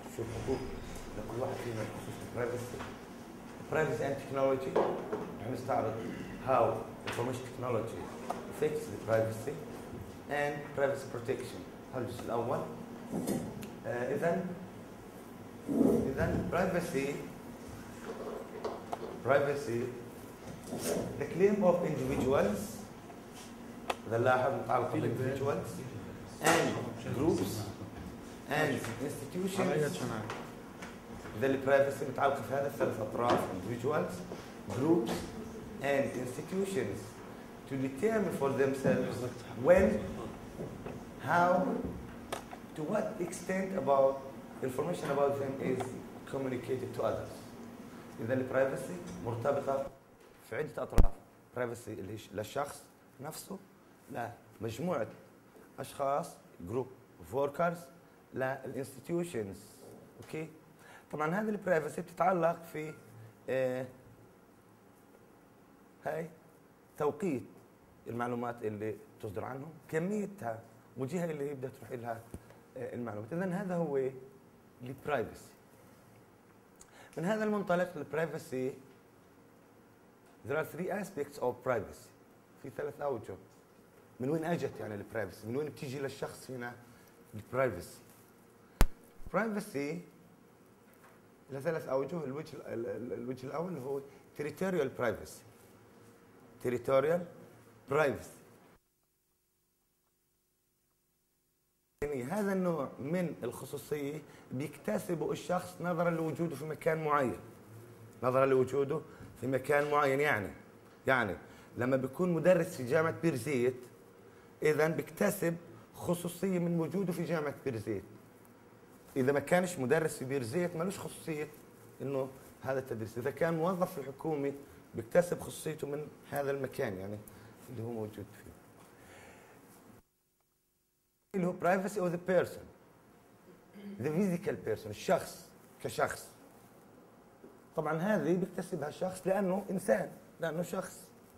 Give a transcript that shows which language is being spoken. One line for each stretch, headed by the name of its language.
Arabic: في الحقوق لكل واحد فينا بخصوص البرايفسي.
English: Privacy and technology. We're going to start how information technology affects the privacy and privacy protection. How is the first? Then privacy. The claim of individuals. The
Arabic: لاحظ نتعرف في
English: individuals and groups and institutions. The privacy
Arabic: متعلقة في هذا الثلاث أطراف
English: individuals, groups and institutions to determine for themselves when, how, to what extent about information about them is communicated to others.
Arabic: إذا privacy مرتبطة في عدة أطراف, privacy للشخص نفسه, لمجموعة أشخاص
English: group of workers,
Arabic: للinstitutions.
English: Okay.
Arabic: طبعا هذه البرايفسي بتتعلق في هاي توقيت المعلومات اللي تصدر عنهم, كميتها, وجهة اللي هي بدها تروح لها المعلومات. إذن هذا هو البرايفسي. من هذا المنطلق البرايفسي,
English: there are three aspects of privacy.
Arabic: في ثلاث أوجه. من وين أجت يعني البرايفسي, من وين بتيجي للشخص هنا البرايفسي. privacy لثلاث أوجه. الوجه الأول هو territorial privacy. territorial privacy يعني هذا النوع من الخصوصية بيكتسبه الشخص نظرا لوجوده في مكان معين, نظرا لوجوده في مكان معين. يعني لما بيكون مدرس في جامعة بيرزيت, إذا بيكتسب خصوصية من وجوده في جامعة بيرزيت. إذا ما كانش مدرس في بيرزيت ملوش خصوصية إنه هذا التدريس. إذا كان موظف في حكومة بيكتسب خصوصيته من هذا المكان يعني اللي هو موجود فيه. اللي هو
English: privacy of the person, the physical person,
Arabic: الشخص كشخص. طبعا هذه بيكتسبها الشخص لأنه إنسان, لأنه شخص.